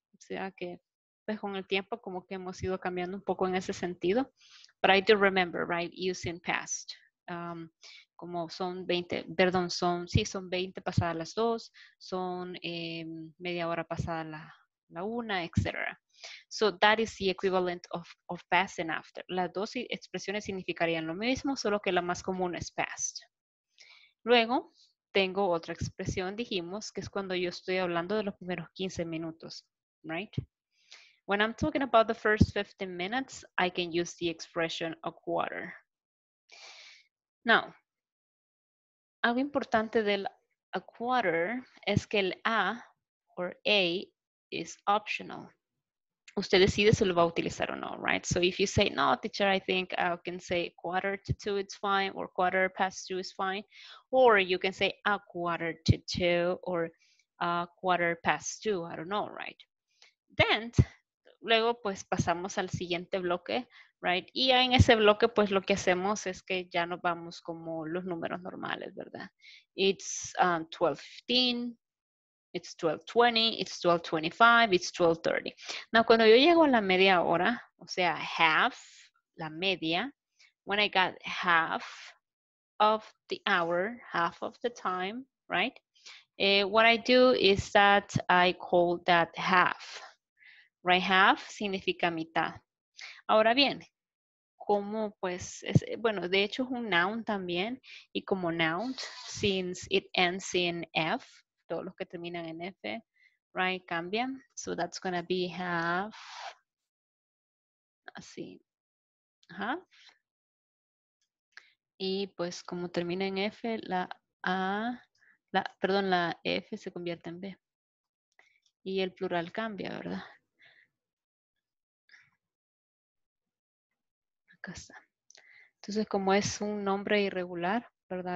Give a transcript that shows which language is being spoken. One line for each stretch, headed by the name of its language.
Spanish: O sea que pues con el tiempo como que hemos ido cambiando un poco en ese sentido.
English: But I do remember, right, using past.
Spanish: Como son 20, perdón, son, sí, son 20 pasadas las 2, son media hora pasada la 1, etc.
English: So that is the equivalent of past and after.
Spanish: Las dos expresiones significarían lo mismo, solo que la más común es past. Luego, tengo otra expresión, dijimos, que es cuando yo estoy hablando de los primeros 15 minutos,
English: right? When I'm talking about the first 15 minutes, I can use the expression a quarter. Now,
Spanish: algo importante del
English: a quarter
Spanish: es que el
English: a or a is optional.
Spanish: Usted decide si lo va a utilizar o no,
English: right? So if you say, no, teacher, I think I can say quarter to two, it's fine, or quarter past two is fine. Or you can say a quarter to two or a quarter past two, I don't know, right? Then,
Spanish: luego pues pasamos al siguiente bloque,
English: right?
Spanish: Y en ese bloque pues lo que hacemos es que ya nos vamos como los números normales, ¿verdad?
English: It's 12:15. It's 12:20, it's 12:25, it's 12:30. Now,
Spanish: cuando yo llego a la media hora, o sea,
English: half,
Spanish: la media,
English: when I got half of the hour, half of the time, right? What I do is that I call that half, right?
Spanish: Half significa mitad. Ahora bien, como pues, es, bueno, de hecho es un noun también, y como noun,
English: since it ends in F,
Spanish: todos los que terminan en F,
English: right,
Spanish: cambian.
English: So that's going to be half,
Spanish: así,
English: half.
Spanish: Y pues como termina en F, la A, la, perdón, la F se convierte en B. Y el plural cambia, ¿verdad? Acá está. Entonces como es un nombre irregular, ¿verdad?